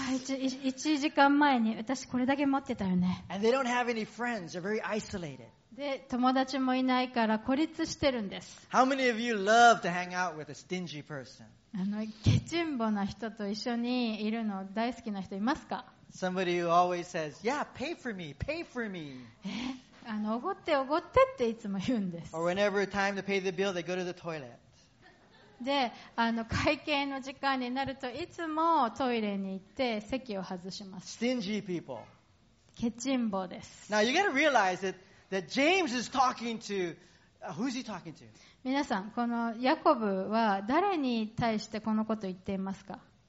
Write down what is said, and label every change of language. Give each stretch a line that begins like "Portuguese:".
Japanese: 1時間前に私これだけ持ってたよね。
English: And they don't have any friends. They're very isolated.
Japanese: で友達もいないから孤立してるんです。
English: How many of you love to hang out with a stingy person?
Japanese: ケチンボな人と一緒にいるの大好きな人いますか？
English: Somebody who always says, yeah, pay for me, pay for me.
Japanese: おごっておごってっていつも言うんです。
English: Or whenever time to pay the bill, they go to the toilet.
Japanese: で会計の時間になるといつもトイレに行って席を外します。
English: Stingy people.
Japanese: ケチンボです。
English: Now you gotta realize thatThat James is talking to, who's he talking to?
Japanese: 皆さん、このヤコブは誰に対してこのことを言っていますか?